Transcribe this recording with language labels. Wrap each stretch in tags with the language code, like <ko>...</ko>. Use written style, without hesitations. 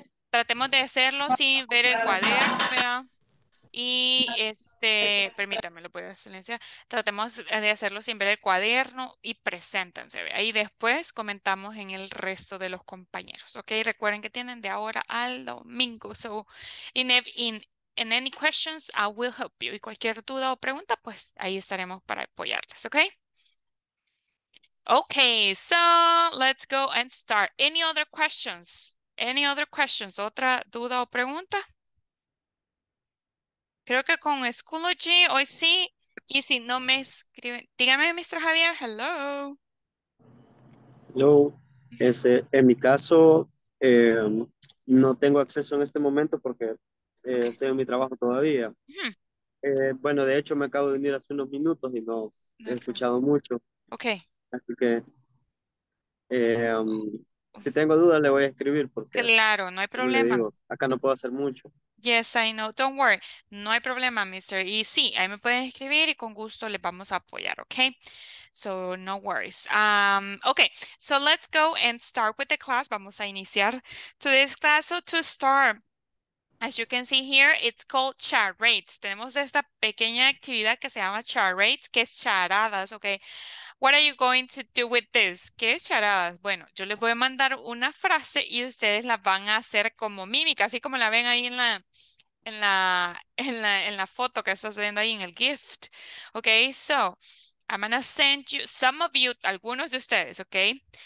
<es>Tratemos de hacerlo sin ver el cuaderno, ¿verdad? Y permítame, lo voy a silenciar. Tratemos de hacerlo sin ver el cuaderno y preséntense. Ahí después comentamos en el resto de los compañeros. Ok, recuerden que tienen de ahora al domingo.</es> <en>So, in any questions, I will help you.</en> <es>Y cualquier duda o pregunta, pues ahí estaremos para apoyarles.</es> <en>Ok. Ok, so let's go and start. Any other questions? Any other questions?</en> <es>¿Otra duda o pregunta? Creo que con Schoology hoy sí, y si no me escriben, dígame, Mr.</es> <en>Javier, hello.</en> <es>No, en mi caso no tengo acceso en este momento porque estoy en mi trabajo todavía. Bueno, de hecho me acabo de venir hace unos minutos y no No hay problema. escuchado mucho.</es> <en>Okay.</en> <es>Así que Si tengo dudas, le voy a escribir porque... Claro, no hay problema. Digo, acá no puedo hacer mucho.</es> <en>Yes, I know. Don't worry.</en> <es>No hay problema,</es> <en>mister.</en> <es>Y sí, ahí me pueden escribir y con gusto les vamos a apoyar, okay?</es> <en>So, no worries. Okay, so let's go and start with the class.</en> <es>Vamos a iniciar</es> <en>today's class. So, to start, as you can see here, it's called charades.</en> <es>Tenemos esta pequeña actividad que se llama charades, que es charadas, okay?</es> <en>What are you going to do with this?</en> <es>¿Qué es charadas? Bueno, yo les voy a mandar una frase y ustedes la van a hacer como mímica, así como la ven ahí en la foto que estás viendo ahí en el gift.</es> <en>Okay, so I'm gonna send you some of you,</en> <es>algunos de ustedes,</es> <en>okay?</en>